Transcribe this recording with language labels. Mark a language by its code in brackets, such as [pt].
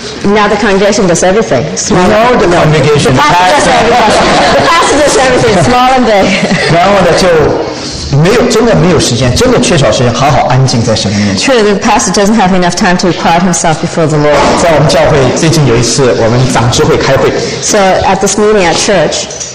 [en] Now the congregation does everything. Small no, the congregation. The pastor does everything. The pastor does everything. Small and big. [zh] 然后呢，就没有真的没有时间，真的缺少时间，好好安静在神的面前。 [en] True, the pastor doesn't have enough time to quiet himself before the Lord. [zh] 在我们教会最近有一次，我们长执会开会。 [en] So at this meeting at church,